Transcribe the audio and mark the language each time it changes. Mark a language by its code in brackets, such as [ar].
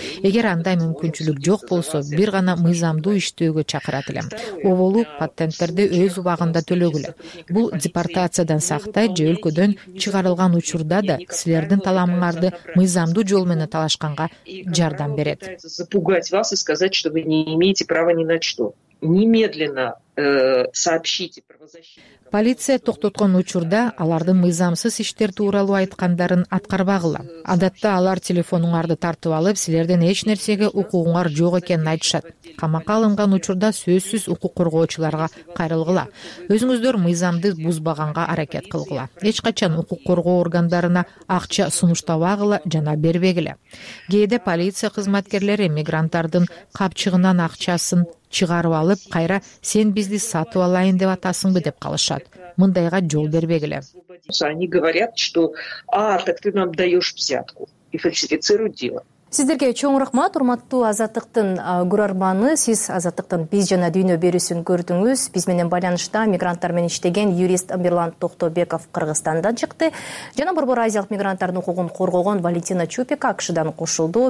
[ky] Эгер андай мүмкүнчүлүк жок болсо, бир гана мыйзамдуу иштөөгө чакырат элем. Оболу патенттерди өз убагында төлөгүлө. Бул депортациядан сактай же өлкөдөн чыгарылган учурда да силердин талабыңарды мыйзамдуу жол менен талашканга жардам берет. [ru] Запугать вас и сказать, что вы не имеете права ни на что. Немедленно сообщите правозащитникам. [ky] Полиция токтоткон учурда алардын мыйзамсыз иштер тууралуу айткандарын аткарбагыла. Адатта алар телефонуңарды тартып алып, силердин эч нерсеге укугуңар жок экенин айтышат. Камакка алынган учурда сөзсүз укук коргоочуларга кайрылгыла. Өзүңүздөр мыйзамды бузбаганга аракет кылгыла. Эч качан укук коргоо органдарына акча сунуштабагыла жана бербегиле. Кээде полиция кызматкерлери мигранттардын капчыгынан акчасын чыгарып алып, кайра сен бизди сатып алайын деп атасыңбы деп калышат. Мындайга жол бербегиле. [ru] Они говорят, что так ты нам даешь взятку и фальсифицируют дело. [ky] Сиздерге чоң рахмат, урматтуу азаттыктын көрөрманы, сиз азаттыктын биз жана дүйнө берүүсүн көрдүңүз. Биз менен байланышта мигранттар менен иштеген юрист Амирлан Токтобеков Кыргызстандан чыкты. Жана борбор азиялык мигранттардын укугун коргогон Валентина Чупик АКШдан кошулду.